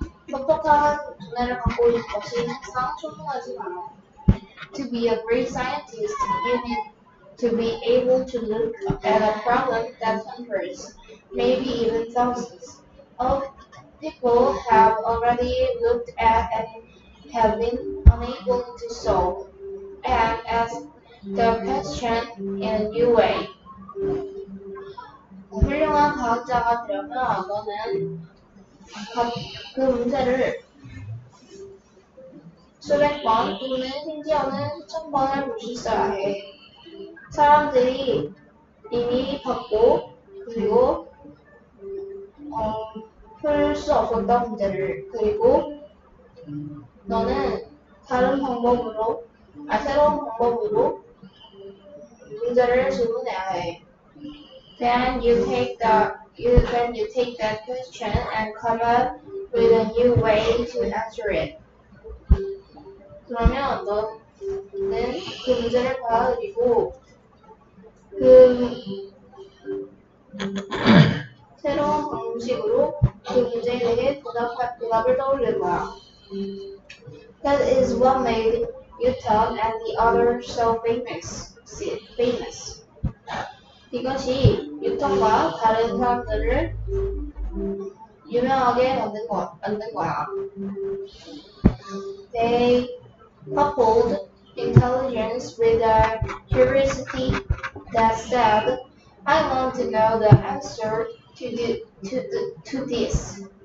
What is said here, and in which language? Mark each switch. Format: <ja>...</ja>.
<ko>똑똑한 두뇌를 갖고 있는 것이 항상 충분하지 않아.</ko> <en>To be a great scientist, you need to be able to look at a problem that hundreds, maybe even thousands of people have already looked at and have been unable to solve, and ask the question in a new way.</en> <ko>훌륭한 과학자가 되려면 너는 그 문제를 수백 번 또는 심지어는 수천 번을 볼 수 있어야 해. 사람들이 이미 봤고 그리고 풀 수 없었던 문제를 그리고 너는 다른 방법으로 새로운 방법으로 문제를 질문해야 해.</ko> <en>Then you take that question and come up with a new way to answer it.</en> <ko>그러면 너는 그 문제를 받아들이고 새로운 방식으로 그 문제에 대해 대답을 떠올릴 거야.</ko> <en>That is what made Newton and the others so famous.</en> <ko>이것이 뉴턴과 다른 사람들을 유명하게 만든 거야.</ko> <en>They coupled intelligence with a curiosity that said, I want to know the answer to this.</en>